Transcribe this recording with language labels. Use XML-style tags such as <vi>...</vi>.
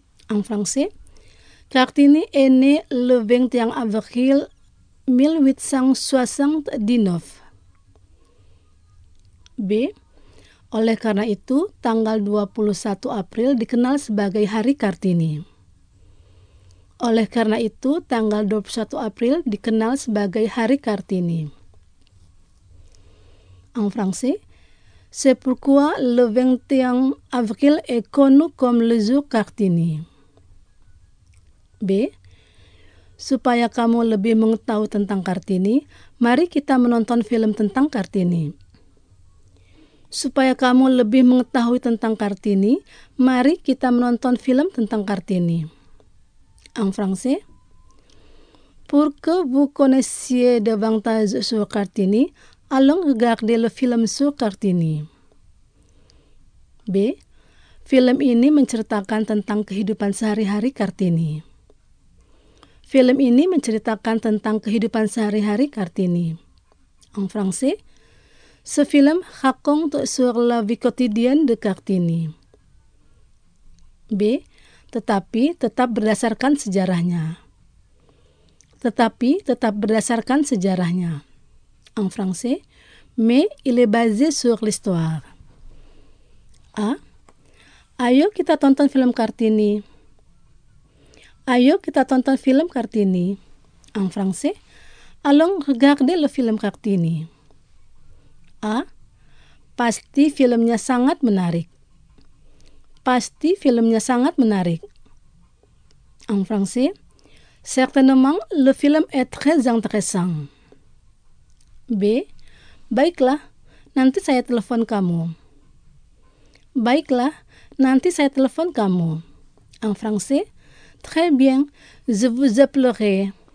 <fr>En français, Kartini est né le 21 avril 1879. B.</fr> <id>Oleh karena itu, tanggal 21 April dikenal sebagai Hari Kartini. Oleh karena itu, tanggal 21 April dikenal sebagai Hari Kartini.</id> <fr>En français, c'est pourquoi le 21 avril est connu comme le jour Kartini.</fr> <id>B. Supaya kamu lebih mengetahui tentang Kartini, mari kita menonton film tentang Kartini. Supaya kamu lebih mengetahui tentang Kartini, mari kita menonton film tentang Kartini.</id> <fr>En français. Pour que vous connaissiez davantage sur Kartini, allons regarder le film sur Kartini.</fr> <id>B. Film ini menceritakan tentang kehidupan sehari-hari Kartini. Film ini menceritakan tentang kehidupan sehari-hari Kartini.</id> <fr>En français. Ce film raconte sur la vie quotidienne de Kartini. B.</fr> <id>Tetapi tetap berdasarkan sejarahnya. Tetapi tetap berdasarkan sejarahnya.</id> <fr>En français. Mais il est basé sur l'histoire.</fr> <id>A. Ayo kita tonton film Kartini. Ayo kita tonton film Kartini.</id> <fr>En français. Allons regarder le film Kartini. A.</fr> <id>Pasti filmnya sangat menarik. Pasti filmnya sangat menarik.</id> <fr>En français. Certainement, le film est très intéressant.</fr> <id>B. Baiklah, nanti saya telepon kamu. Baiklah, nanti saya telepon kamu.</id> <fr>En français. Très bien, je vous appellerai.</fr>